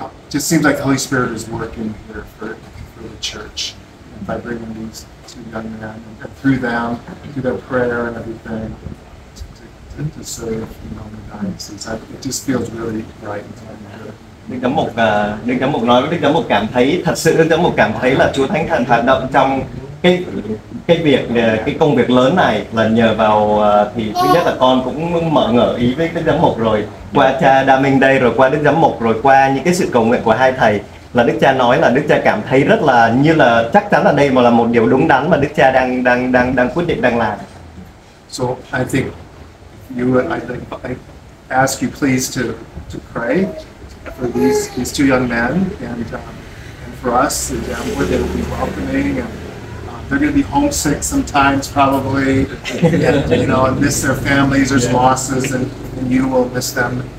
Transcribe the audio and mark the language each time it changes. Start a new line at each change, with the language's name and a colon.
English: Just seems like the Holy Spirit is working here for the church and by bringing these two young men and through them, through their prayer and everything to serve, you know, the diocese. It just feels really right.
Vietnamese: Đức Giám Mục, Đức Giám Mục nói với Đức Giám Mục cảm thấy, thật sự Đức Giám Mục cảm thấy là Chúa Thánh Thần hoạt động trong cái việc, cái công việc lớn này là nhờ vào, thì thứ nhất là con cũng mở ngỡ ý với Đức Giám Mục rồi, qua cha Đa Minh đây, rồi qua Đức Giám Mục, rồi qua những cái sự cầu nguyện của hai thầy, là Đức Cha nói là Đức Cha cảm thấy rất là như là chắc chắn là đây mà là một điều đúng đắn mà Đức Cha đang quyết định đang làm.
English: So I think you I ask you please to pray for these two young men and for us and where they will be welcoming, and they're going to be homesick sometimes probably and miss their families, there's losses, and you will miss them.